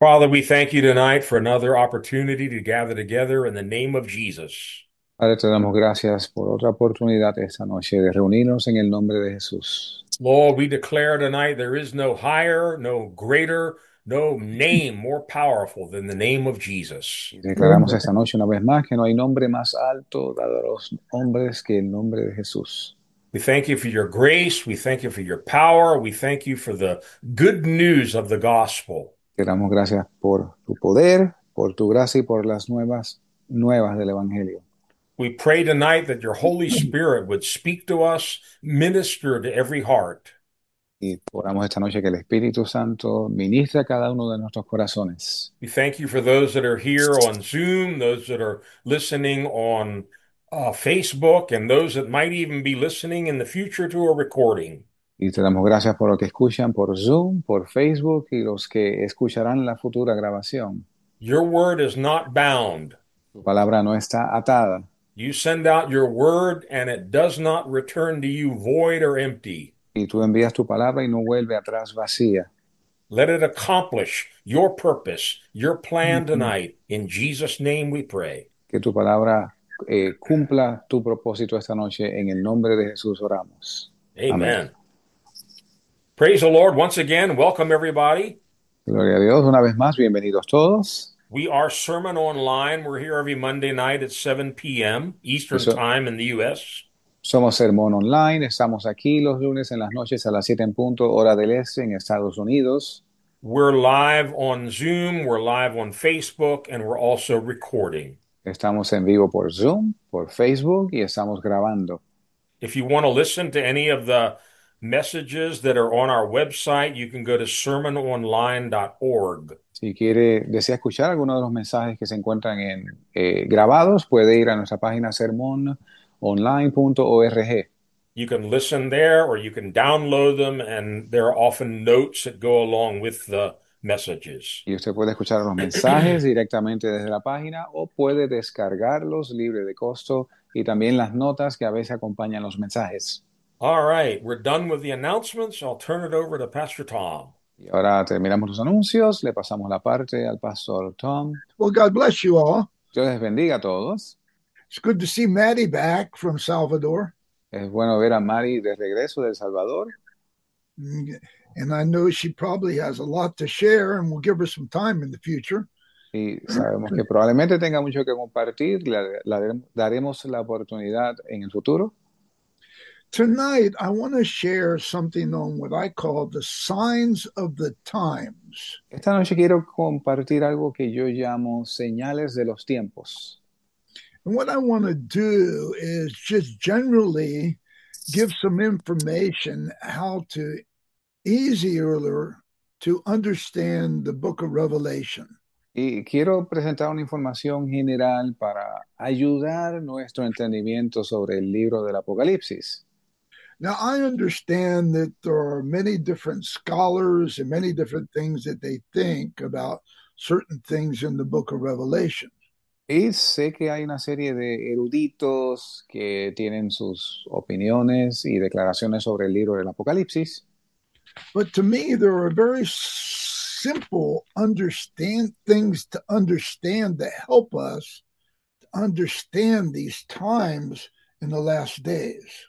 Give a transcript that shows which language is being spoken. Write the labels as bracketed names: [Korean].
[English] Father, we thank you tonight for another opportunity to gather together in the name of Jesus. [Spanish] Padre, te damos gracias por otra oportunidad esta noche de reunirnos en el nombre de Jesús. [English] Lord, we declare tonight there is no higher, no greater, no name more powerful than the name of Jesus. [Spanish] Y declaramos esta noche una vez más que no hay nombre más alto dado a los hombres que el nombre de Jesús. [English] We thank you for your grace. We thank you for your power. We thank you for the good news of the gospel. [Spanish] Te damos gracias por tu poder, por tu gracia y por las nuevas del Evangelio. [English] We pray tonight that your Holy Spirit would speak to us, minister to every heart. [Spanish] Y oramos esta noche que el Espíritu Santo ministre a cada uno de nuestros corazones. [English] We thank you for those that are here on Zoom, those that are listening on Facebook, and those that might even be listening in the future to a recording. [Spanish] Y te damos gracias por lo que escuchan por Zoom, por Facebook y los que escucharán la futura grabación. [English] Your word is not bound. [Spanish] Tu palabra no está atada. [English] You send out your word and it does not return to you void or empty. [Spanish] Y tú envías tu palabra y no vuelve atrás vacía. [English] Let it accomplish your purpose, your plan tonight. In Jesus' name we pray. [Spanish] Que tu palabra cumpla tu propósito esta noche. En el nombre de Jesús oramos. Amén. [English] Amen. Praise the Lord once again. Welcome everybody. [Spanish] Gloria a Dios una vez más. Bienvenidos todos. [English] We are Sermon Online. We're here every Monday night at 7 p.m. Eastern [Spanish] Eso. [English] Time in the U.S. [Spanish] Somos Sermón Online, estamos aquí los lunes en las noches a las 7 en punto, hora del este en Estados Unidos. [English] We're live on Zoom, we're live on Facebook, and we're also recording. [Spanish] Estamos en vivo por Zoom, por Facebook y estamos grabando. [English] If you want to listen to any of the messages that are on our website, you can go to sermononline.org. [Spanish] Si quiere, desea escuchar alguno de los mensajes que se encuentran en grabados, puede ir a nuestra página Sermón online.org. [English] You can listen there or you can download them, and there are often notes that go along with the messages. [Spanish] Y usted puede escuchar los mensajes directamente desde la página o puede descargarlos libre de costo y también las notas que a veces acompañan los mensajes. [English] All right, we're done with the announcements. I'll turn it over to Pastor Tom. [Spanish] Y ahora terminamos los anuncios, le pasamos la parte al pastor Tom. [English] Well, God bless you all. [Spanish] Dios les bendiga a todos. [English] It's good to see Maddie back from Salvador. [Spanish] Es bueno ver a Mari de regreso de El Salvador. [English] And I know she probably has a lot to share, and we'll give her some time in the future. [Spanish] Y sabemos que probablemente tenga mucho que compartir. Daremos la oportunidad en el futuro. [English] Tonight, I want to share something on what I call the signs of the times. [Spanish] Esta noche quiero compartir algo que yo llamo señales de los tiempos. [English] And what I want to do is just generally give some information how to easier to understand the book of Revelation. [Spanish] Y quiero presentar una información general para ayudar nuestro entendimiento sobre el libro del Apocalipsis. [English] Now, I understand that there are many different scholars and many different things that they think about certain things in the book of Revelation. [Spanish] Y sé que hay una serie de eruditos que tienen sus opiniones y declaraciones sobre el libro del Apocalipsis. [English] But to me, there are very simple understand things to understand that help us to understand these times in the last days.